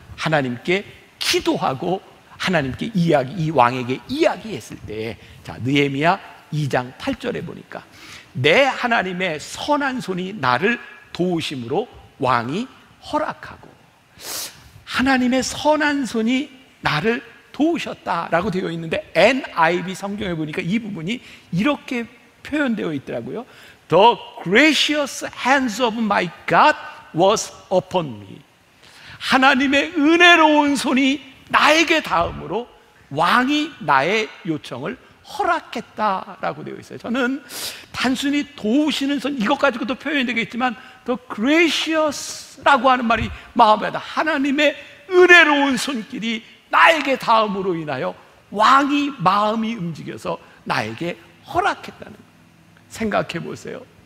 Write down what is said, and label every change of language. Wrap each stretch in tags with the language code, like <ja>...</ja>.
<ko>하나님께 기도하고 하나님께 이야기, 이 왕에게 이야기했을 때, 자, 느헤미야 2장 8절에 보니까 내 하나님의 선한 손이 나를 도우심으로 왕이 허락하고, 하나님의 선한 손이 나를 도우셨다라고 되어 있는데 NIV 성경에 보니까 이 부분이 이렇게 표현되어 있더라고요.</ko> <en>The gracious hands of my God was upon me.</en> <ko>하나님의 은혜로운 손이 나에게 닿음으로 왕이 나의 요청을 허락했다라고 되어 있어요. 저는 단순히 도우시는 손 이것 가지고도 표현이 되겠지만 The gracious라고 하는 말이 마음에 다 하나님의 은혜로운 손길이 나에게 다음으로 인하여 왕이 마음이 움직여서 나에게 허락했다는 거예요. 생각해 보세요.</ko>